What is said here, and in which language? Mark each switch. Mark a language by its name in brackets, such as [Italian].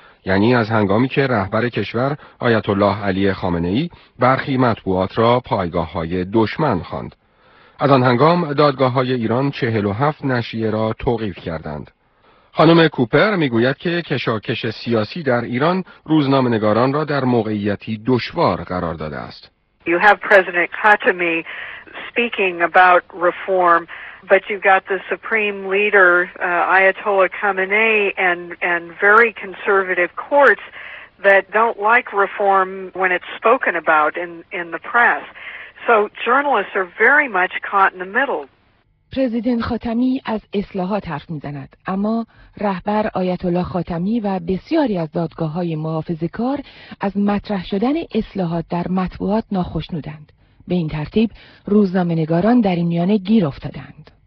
[Persian] یعنی از هنگامی که رهبر کشور آیت الله علی خامنه‌ای برخی مطبوعات را پایگاه‌های دشمن خواند. از آن هنگام دادگاه‌های ایران 47 نشریه را توقیف کردند. خانم کوپر میگوید که کشاکش سیاسی در ایران روزنامه‌نگاران را در موقعیتی دشوار قرار داده است. [English] You have President Khatami speaking about reform, but you've got the supreme leader Ayatollah Khamenei and very conservative courts that don't like reform when it's spoken about in the press. So journalists are very much caught in the middle. [Persian] پرزیدنت خاتمی از اصلاحات حرف میزند، اما رهبر آیت الله خاتمی و بسیاری از دادگاه‌های محافظه‌کار از مطرح شدن اصلاحات در مطبوعات ناخشنودند. به این ترتیب روزنامه‌نگاران در این میانه گیر افتادند.